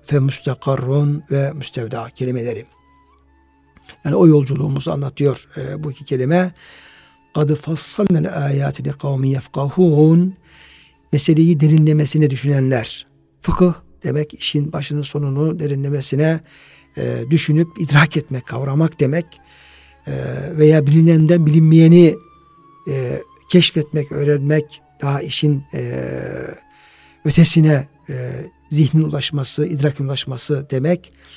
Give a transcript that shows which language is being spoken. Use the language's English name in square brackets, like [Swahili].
[Turkish] Femüstekarrun ve müstevda kelimeleri. Yani o yolculuğumuzu anlatıyor bu iki kelime. [Arabic] قَدْ فَصَّلْنَ الْآيَاتِ لِقَوْمِ يَفْقَهُونَ [Turkish] Meseleyi derinlemesine düşünenler. Fıkıh demek işin başının sonunu derinlemesine düşünüp idrak etmek, kavramak demek. Veya bilinenden bilinmeyeni keşfetmek, öğrenmek, daha işin ötesine zihnin ulaşması, idrakin ulaşması demek.